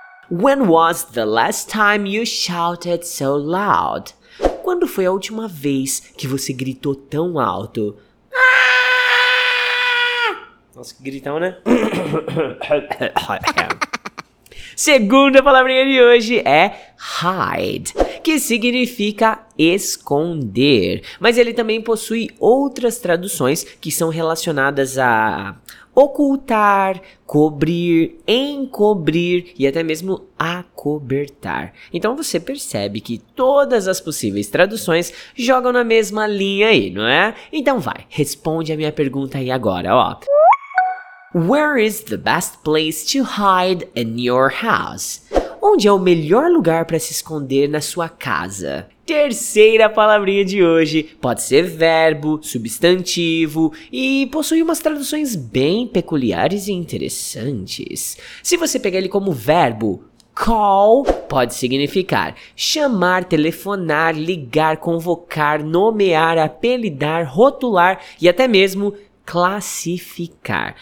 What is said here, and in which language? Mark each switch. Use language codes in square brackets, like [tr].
[en] When was the last time you shouted so loud? [pt] Quando foi a última vez que você gritou tão alto? Nossa, que gritão, né? Segunda palavrinha de hoje é hide, que significa esconder. Mas ele também possui outras traduções que são relacionadas a ocultar, cobrir, encobrir e até mesmo acobertar. Então você percebe que todas as possíveis traduções jogam na mesma linha aí, não é? Então vai, responde a minha pergunta aí agora, ó. [en] Where is the best place to hide in your house? [pt] Onde é o melhor lugar para se esconder na sua casa? Terceira palavrinha de hoje. Pode ser verbo, substantivo e possui umas traduções bem peculiares e interessantes. Se você pegar ele como verbo, call pode significar chamar, telefonar, ligar, convocar, nomear, apelidar, rotular e até mesmo classificar.